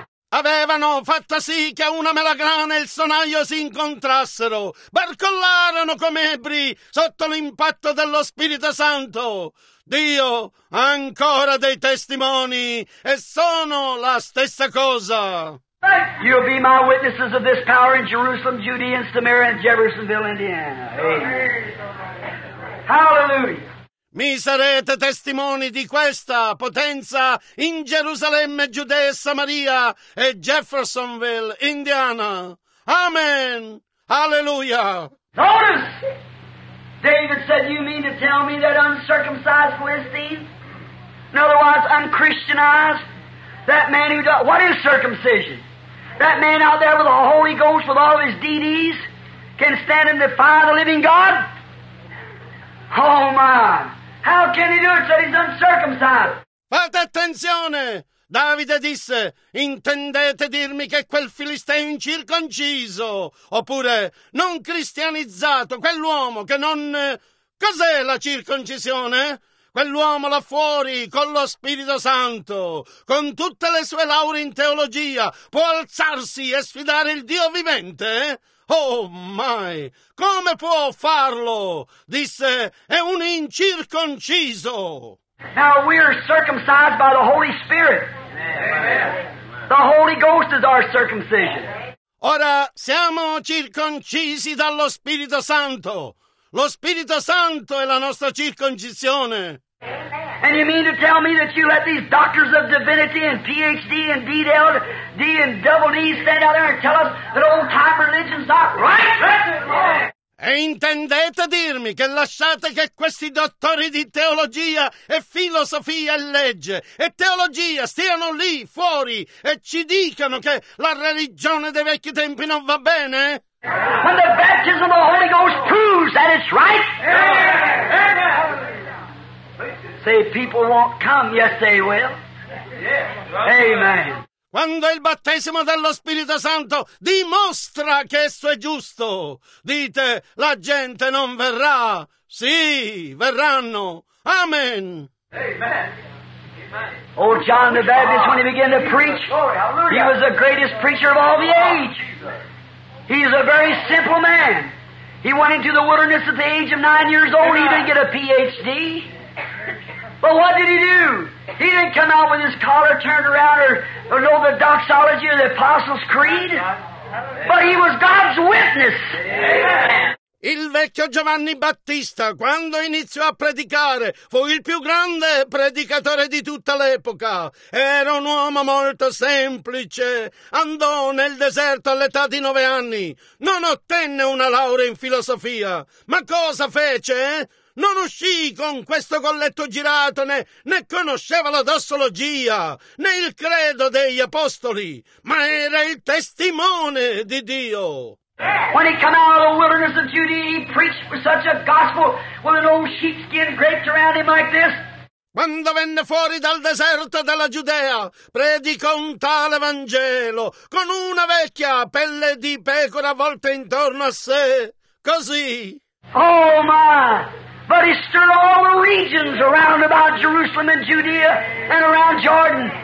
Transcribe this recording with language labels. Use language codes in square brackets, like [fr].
[it] Avevano fatto sì che una melagrana e il sonaglio si incontrassero, barcollarono come ebri sotto l'impatto dello Spirito Santo. Dio ha ancora dei testimoni e sono la stessa cosa. [en] You'll be my witnesses of this power in Jerusalem, Judea, and Samaria, and Jeffersonville, Indiana. Amen. Hallelujah. [it] Mi sarete testimoni di questa potenza in Gerusalemme, Giudea e Samaria e Jeffersonville, Indiana. Amen. Alleluia. [en] Notice, David said, you mean to tell me that uncircumcised Philistine, in other words, unchristianized, that man who does, what is circumcision? That man out there with the Holy Ghost, with all of his deities, can stand and defy the living God? Oh, my. How can he do it? Said he's uncircumcised. [it] Fate attenzione! Davide disse, intendete dirmi che quel filisteo incirconciso, oppure non cristianizzato, quell'uomo che non... Cos'è la circoncisione? Quell'uomo là fuori, con lo Spirito Santo, con tutte le sue lauree in teologia, può alzarsi e sfidare il Dio vivente? Oh, mai! Come può farlo? Disse, è un incirconciso! [en] Now we are circumcised by the Holy Spirit. Amen. The Holy Ghost is our circumcision. [it] Ora siamo circoncisi dallo Spirito Santo. Lo Spirito Santo è la nostra circoncisione. [en] And you mean to tell me that you let these doctors of divinity and PhD and DD and double D stand out there and tell us that old time religion's not right? [it] E intendete dirmi che lasciate che questi dottori di teologia e filosofia e legge e teologia stiano lì fuori e ci dicano che la religione dei vecchi tempi non va bene? [en] When the baptism of the Holy Ghost proves that it's right? Say people won't come, yes they will. Amen. [it] Quando il battesimo dello Spirito Santo dimostra che esso è giusto, dite, la gente non verrà. Sì, verranno. Amen. Amen. [en] Oh, John the Baptist, when he began to preach, he was the greatest preacher of all the age. He's a very simple man. He went into the wilderness at the age of 9 years old. He didn't get a PhD. But what did he do? He didn't come out with his collar turned around or know the doxology of the Apostles' Creed. But he was God's witness. [it] Il vecchio Giovanni Battista, quando iniziò a predicare, fu il più grande predicatore di tutta l'epoca. Era un uomo molto semplice. Andò nel deserto all'età di 9 anni. Non ottenne una laurea in filosofia. Ma cosa fece? Non uscì con questo colletto girato, né conosceva la dossologia, né il credo degli apostoli, ma era il testimone di Dio. [en] When he came out of the wilderness of Judea, he preached with such a gospel with an old sheepskin draped around him like this. [it] Quando venne fuori dal deserto della Giudea, predicò un tale Vangelo con una vecchia pelle di pecora avvolta intorno a sé, così. Oh, ma... [en] But he stirred all the regions around about Jerusalem and Judea and around Jordan.